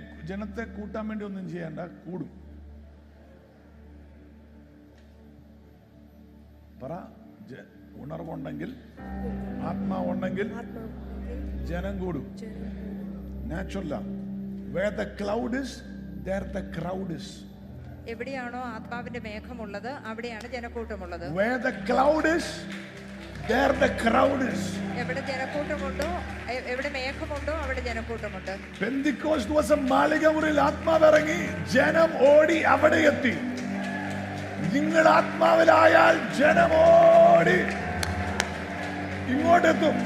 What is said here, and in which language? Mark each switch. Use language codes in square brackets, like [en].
[ml] ജനത്തെ കൂട്ടാൻ വേണ്ടി ഒന്നും ചെയ്യണ്ട, കൂടും. പറ, ഉണർവുണ്ടെങ്കിൽ, ആത്മാവുണ്ടെങ്കിൽ ജനം കൂടും. നാച്ചുറല്ല. [en] Where the cloud is, there the crowd is. [ml] എവിടെയാണോ ആത്മാവിന്റെ മേഘമുള്ളത് അവിടെയാണ് ജനക്കൂട്ടമുള്ളത്. [en] Where the cloud is, there the crowd is. [ml] എവിടെ ജനക്കൂട്ടമുണ്ടോ, എവിടെ മേഘമുണ്ടോ, അവിടെ ജനക്കൂട്ടമുണ്ട്. പെന്തിക്കോസ്റ്റ് ദിവസം മാളികമുറിയിൽ ആത്മാവിറങ്ങി, ജനം ഓടി അവിടെ എത്തി. നിങ്ങൾ ആത്മാവിലായാൽ ജനം ഓടി ഇങ്ങോട്ടെത്തും.